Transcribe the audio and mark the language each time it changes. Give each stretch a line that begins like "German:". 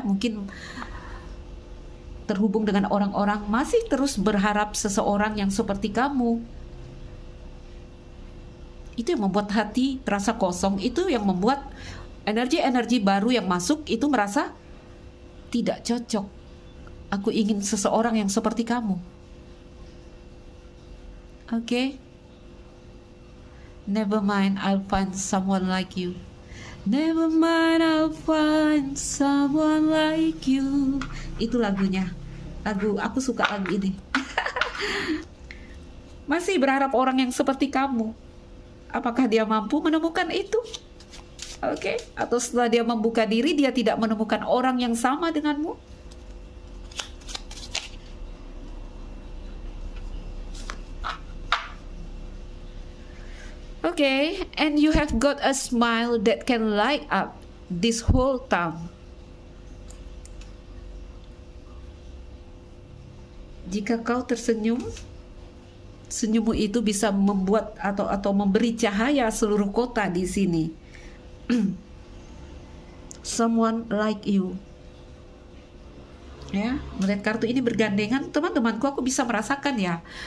Indonesian: Mungkin terhubung dengan orang-orang, masih terus berharap seseorang yang seperti kamu. Itu yang membuat hati terasa kosong, itu yang membuat energi-energi baru yang masuk itu merasa tidak cocok. Aku ingin seseorang yang seperti kamu. Oke.
English: Never mind, I'll find someone like you. Never mind, I'll find someone like you.
Indonesian: Itu lagunya. Lagu, aku suka lagu ini. Masih berharap orang yang seperti kamu. Apakah dia mampu menemukan itu? Oke. Atau setelah dia membuka diri, dia tidak menemukan orang yang sama denganmu? Oke.
English: And you have got a smile that can light up this whole town.
Indonesian: Jika kau tersenyum, senyummu itu bisa membuat atau memberi cahaya seluruh kota di sini.
English: Someone like you.
Indonesian: Ya, melihat kartu ini bergandengan, teman-temanku, aku bisa merasakan ya.